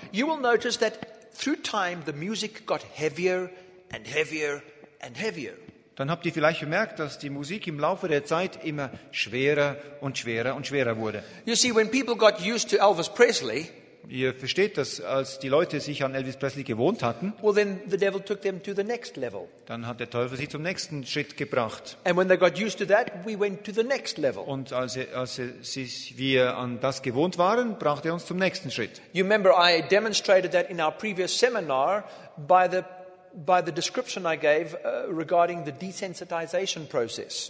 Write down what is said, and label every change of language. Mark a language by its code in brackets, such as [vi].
[en] You will notice that through time the music got heavier and heavier and heavier. [de] Dann habt ihr vielleicht bemerkt, dass die Musik im Laufe der Zeit immer schwerer und schwerer und schwerer wurde. [en] You see, when people got used to Elvis Presley, [de] ihr versteht das, als die Leute sich an Elvis Presley gewohnt hatten, [en] well, then the devil took them to the next level. [de] Dann hat der Teufel sie zum nächsten Schritt gebracht. [en] And when they got used to that, we went to the next level. [de] Und als wir an das gewohnt waren, brachte er uns zum nächsten Schritt. [en] You remember, I demonstrated that in our previous seminar by the description I gave regarding the desensitization process.